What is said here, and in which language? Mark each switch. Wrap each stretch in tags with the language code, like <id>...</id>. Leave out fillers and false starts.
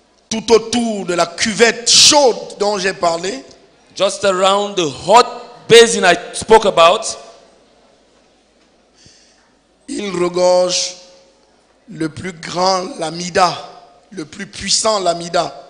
<fr>Tout autour de la cuvette chaude dont j'ai parlé.</fr> <en>Just around the hot basin I spoke about.</en> <fr>Il regorge le plus grand lamida, le plus puissant lamida.</fr>